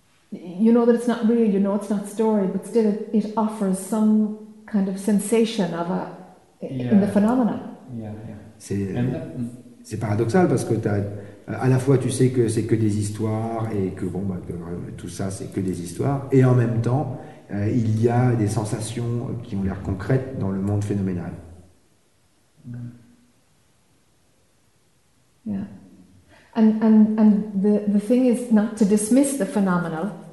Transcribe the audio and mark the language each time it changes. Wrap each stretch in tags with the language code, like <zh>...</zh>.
<en>You know that it's not real, you know it's not story, but still it offers some kind of sensation of in the phenomenon.</en> <fr>C'est paradoxal parce que t'as, à la fois tu sais que c'est que des histoires et que bon bah tout ça c'est que des histoires, et en même temps il y a des sensations qui ont l'air concrètes dans le monde phénoménal.</fr> <en>Yeah. And the thing is not to dismiss the phenomenal.</en>